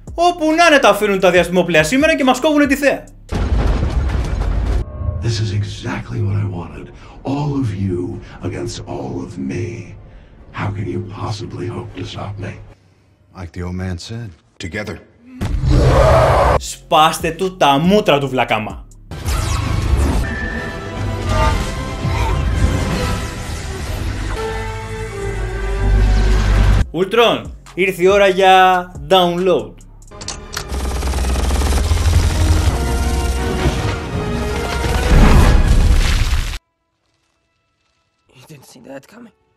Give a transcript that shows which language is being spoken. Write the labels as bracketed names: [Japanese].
[Greek] Όπου να είναι τα αφήνουν τα διαστημόπλαια σήμερα και μας κόβουν τη θέα. [English] This is exactly what I wanted. All of you against all of me. How can you possibly hope to stop me? Like the old man said, together. [Greek] Σπάστε του τα μούτρα του βλακάμα. Ultron, ήρθε η ώρα για download. [English] You didn't see that coming.